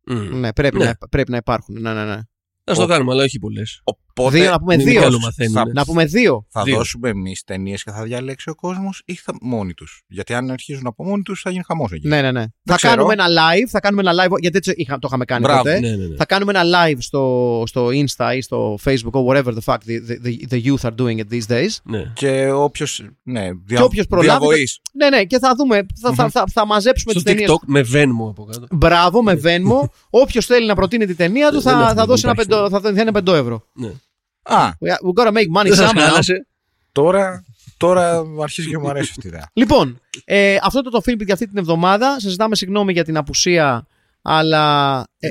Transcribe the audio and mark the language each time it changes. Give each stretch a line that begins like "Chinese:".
Greek: Ναι, πρέπει να υπάρχουν. Ναι. Ας το κάνουμε, αλλά όχι πολλές. Οπότε, δύο, να πούμε δύο. Θα δώσουμε εμείς ταινίες και θα διαλέξει ο κόσμος ή θα, μόνοι τους. Γιατί αν αρχίζουν από μόνοι τους θα γίνει χαμός εκεί. Ναι. Θα κάνουμε ένα live. Γιατί έτσι το είχαμε κάνει τότε. Θα κάνουμε ένα live στο Insta ή στο Facebook
English: or whatever the fuck the youth are doing it these days.
Greek: Και όποιος. Και όποιος προλάβει. Ναι, και θα δούμε. Θα μαζέψουμε τις ταινίες. Στο TikTok με Venmo από κάτω. Μπράβο, με Venmo. Όποιος θέλει να προτείνει την ταινία του θα δώσει ένα 5 ευρώ.
English: We gotta make money somehow.
Greek: Τώρα αρχίζει και μου αρέσει αυτή η ιδέα. Λοιπόν, αυτό ήταν το Φίλιππ για αυτή την εβδομάδα. Σας ζητάμε συγγνώμη για την απουσία, αλλά.